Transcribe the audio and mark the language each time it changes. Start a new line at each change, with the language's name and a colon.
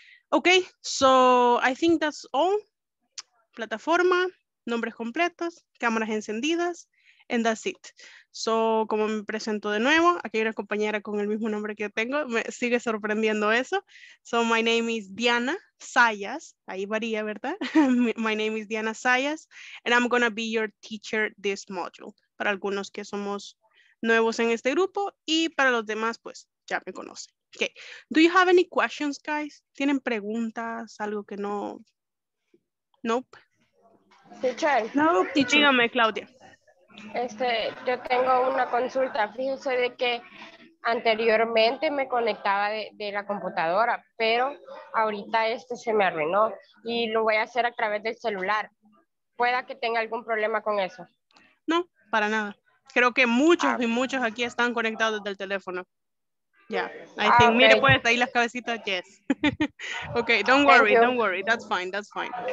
English: Ok, so I think that's all.
Spanish: Plataforma, nombres completos, cámaras encendidas,
English: and that's it.
Spanish: So, como me presento de nuevo, aquí hay una compañera con el mismo nombre que tengo, me sigue sorprendiendo eso.
English: So, my name is Diana Sayas,
Spanish: ahí varía, ¿verdad?
English: My name is Diana Sayas, and I'm gonna be your teacher this module.
Spanish: Para algunos que somos nuevos en este grupo, y para los demás, pues, ya me conocen.
English: Okay, do you have any questions, guys?
Spanish: ¿Tienen preguntas, algo que no?
English: Nope. Teacher. Nope, teacher. Dígame, Claudia.
Spanish: Yo tengo una consulta. Fíjense de que anteriormente me conectaba de la computadora, pero ahorita se me arruinó y lo voy a hacer a través del celular. ¿Pueda que tenga algún problema con eso? No, para nada. Creo que muchos y muchos aquí están conectados desde el teléfono.
English: Yeah, I think, okay.
Spanish: Mire pues, ahí las cabecitas, yes.
English: Okay, don't worry, don't worry, that's fine, that's fine.